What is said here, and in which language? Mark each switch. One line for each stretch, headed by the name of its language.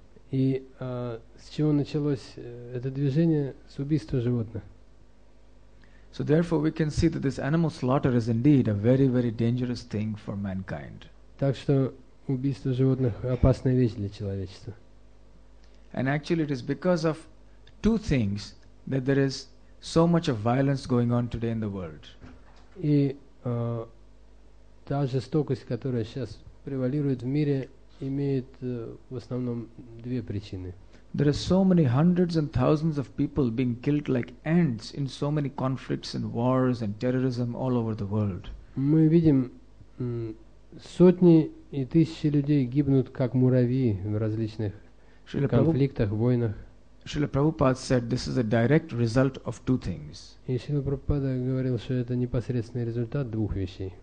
Russian: И с чего началось это движение с убийства животных?
English: So therefore we can see that this animal slaughter is indeed a very, very dangerous thing for mankind.
Russian: Так что убийство животных опасная вещь для человечества.
English: And actually it is because of two things that there is so much of violence going on today in the world.
Russian: И та жестокость, которая сейчас превалирует в мире, имеет в основном две причины.
English: There are so many hundreds and thousands of people being killed like ants in so many conflicts and wars and terrorism all over the world.
Russian: Мы видим сотни и тысячи людей гибнут как муравьи в различных конфликтах, войнах.
English: Шрила Прабхупада said this is a direct result of two things.
Russian: И Шрила Прабхупада говорил, что это непосредственный результат двух вещей.